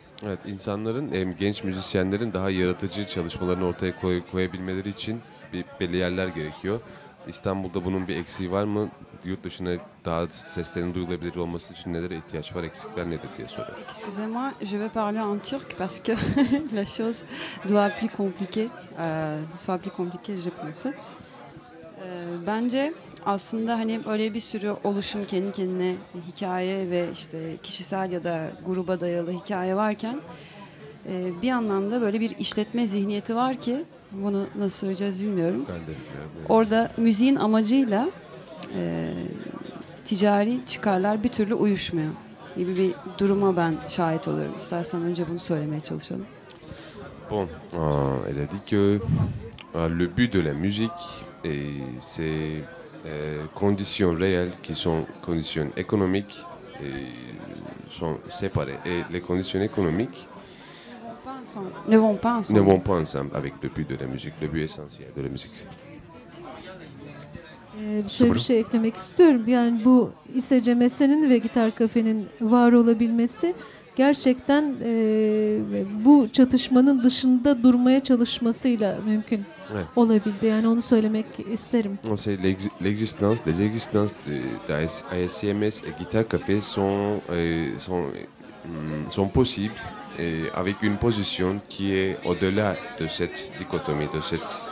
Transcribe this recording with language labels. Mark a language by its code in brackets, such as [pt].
[tr] Evet, insanların, genç müzisyenlerin daha yaratıcı çalışmalarını ortaya koyabilmeleri için belli yerler gerekiyor. İstanbul'da bunun bir eksiği var mı? Yurt dışına daha seslerinin duyulabilir olması için nelere ihtiyaç var, eksikler nedir diye soruyor. [fr] Excusez-moi, je vais parler en turc parce que la chose doit plus compliquée, soit plus compliquée, je pense. [tr] Bence aslında hani öyle bir sürü oluşum kendi kendine hikaye ve işte kişisel ya da gruba dayalı hikaye varken bir anlamda böyle bir işletme zihniyeti var ki bunu nasıl söyleyeceğiz bilmiyorum. Orada müziğin amacıyla ticari çıkarlar bir türlü uyuşmuyor gibi bir duruma ben şahit oluyorum. İstersen önce bunu söylemeye çalışalım. [fr] Bon, elle a dit que le but de la musique et ses conditions réelles qui sont conditions économiques sont séparées et les conditions économiques ne vont pas ensemble avec le but de la musique, le but essentiel de la musique. [tr] Bir şey eklemek istiyorum. Yani bu ISCMS'nin ve Gitar Kafe'nin var olabilmesi gerçekten bu çatışmanın dışında durmaya çalışmasıyla mümkün olabildi. Yani onu söylemek isterim. [fr] L'existence d'ASCMS et Gitar Kafe sont possibles avec une position qui est au-delà de cette dichotomie, de cette